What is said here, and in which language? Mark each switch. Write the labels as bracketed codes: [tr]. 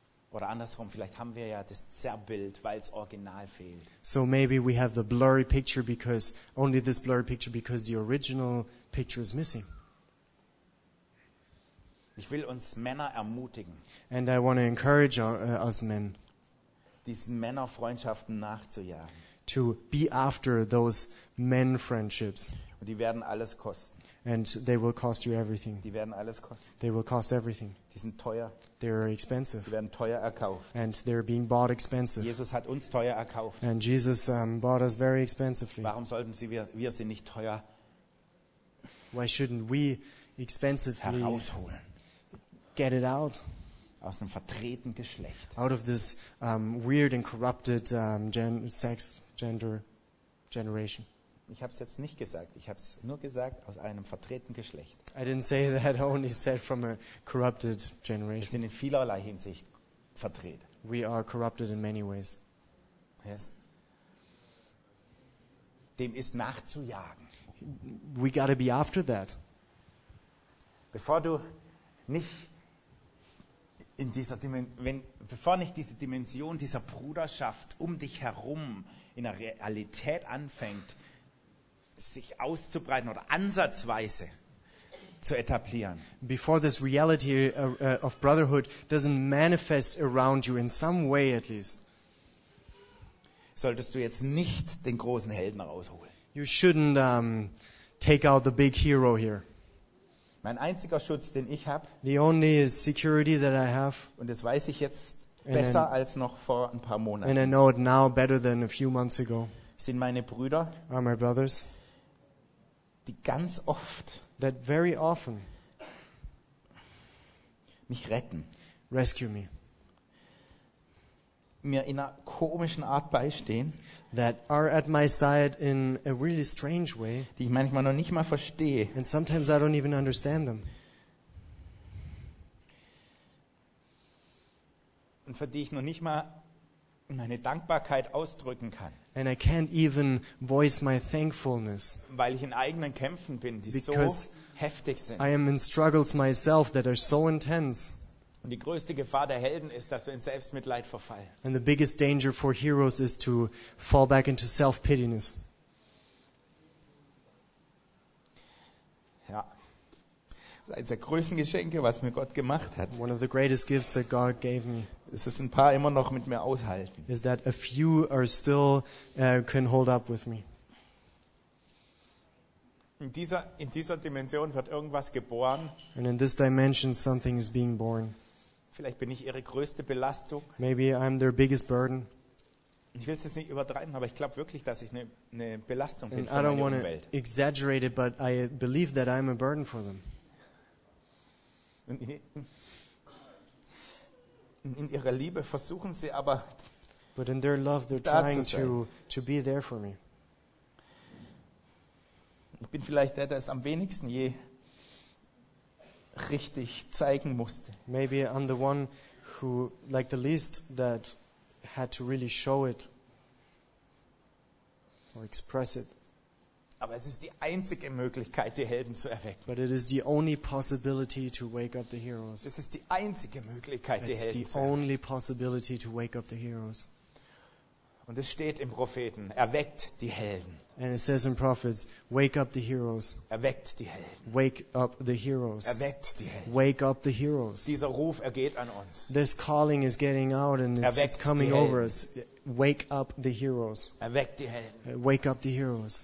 [de] Oder andersrum, vielleicht haben wir ja das Zerrbild, weil es original fehlt. [en] So maybe we have the blurry picture because only this blurry picture because the original picture is missing. [de] Ich will uns Männer ermutigen. [en] And I want to encourage us men. [de] Diesen Männerfreundschaften nachzujagen. [en] To be after those men friendships. [de] Und die werden alles kosten. [en] And they will cost you everything. [de] Die werden alles kosten. [en] They will cost everything. [de] Die sind teuer. [en] They are expensive. [de] Die werden teuer erkauft. [en] And they're being bought expensive. [de] Jesus hat uns teuer erkauft. [en] And Jesus bought us very expensively. [de] Warum sollten sie wir sie nicht teuer? [en] Why shouldn't we expensively [de] herausholen? [en] Get it out. [de] Aus einem verdrehten Geschlecht. [en] Out of this weird and corrupted sex, gender, generation. [de] Ich habe es jetzt nicht gesagt. Ich habe es nur gesagt aus einem verdrehten Geschlecht. [en] I didn't say that. I only said from a corrupted generation. [de] Wir sind in vielerlei Hinsicht verdreht. [en] We are corrupted in many ways. Yes. [de] Dem ist nachzujagen. [en] We gotta be after that. [de] Bevor du nicht in dieser bevor nicht diese Dimension dieser Bruderschaft um dich herum in der Realität anfängt, sich auszubreiten oder ansatzweise zu etablieren. [en] Before this reality of brotherhood doesn't manifest around you in some way at least. [de] Solltest du jetzt nicht den großen Helden rausholen. [en] You shouldn't take out the big hero here. [de] Mein einziger Schutz, den ich habe, [en] the only security that I have, [de] und das weiß ich jetzt besser als noch vor ein paar Monaten, [en] and I know it now better than a few months ago, [de] sind meine Brüder, [en] are my brothers, [de] die ganz oft, [en] that very often, [de] mich retten, [en] rescue me, [de] mir in einer komischen Art beistehen, [en] that are at my side in a really strange way, [de] die ich manchmal noch nicht mal verstehe, [en] and sometimes I don't even understand them, [de] und für die ich noch nicht mal meine Dankbarkeit ausdrücken kann, [en] and I can't even voice my thankfulness, [de] weil ich in eigenen Kämpfen bin, die [en] because [de] so heftig sind, [en] I am in struggles myself that are so intense. [de] Und die größte Gefahr der Helden ist, dass wir in Selbstmitleid verfallen. [en] And the biggest danger for heroes is to fall back into self-pityness. [de] Ja. Eines der größten Geschenke, was mir Gott gemacht hat. [en] One of the greatest gifts that God gave me. [de] Ist, dass ein paar immer noch mit mir aushalten. [en] Is that a few are still can hold up with me. [de] In dieser Dimension wird irgendwas geboren. [en] And in this dimension something is being born. [de] Vielleicht bin ich ihre größte Belastung. [en] Maybe I'm their biggest burden. [de] Ich will es jetzt nicht übertreiben, aber ich glaube wirklich, dass ich eine Belastung bin für meine Umwelt. [en] I don't want to exaggerate it, but I believe that I'm a burden for them. [de] In ihrer Liebe versuchen sie aber, [en] but in their love, they're trying to be there for me. [de] Ich bin vielleicht der, der es am wenigsten je richtig zeigen musste. [en] Maybe I'm the one who, like the least, that had to really show it or express it. [de] Aber es ist die einzige Möglichkeit, die Helden zu erwecken. [en] But it is the only possibility to wake up the heroes. [de] Es ist die einzige Möglichkeit, die Helden zu erwecken. [en] It's the only possibility to wake up the heroes. [de] Und es steht im Propheten, erweckt die Helden. [en] And it says in Prophets, wake up the heroes. [de] Erweckt die Helden. [en] Wake up the heroes. [de] Erweckt die Helden. [en] Wake up the heroes. [de] Dieser Ruf ergeht an uns. [en] This calling is getting out and it's coming over us. Wake up the heroes. [de] Erweckt die Helden. [en] Wake up the heroes.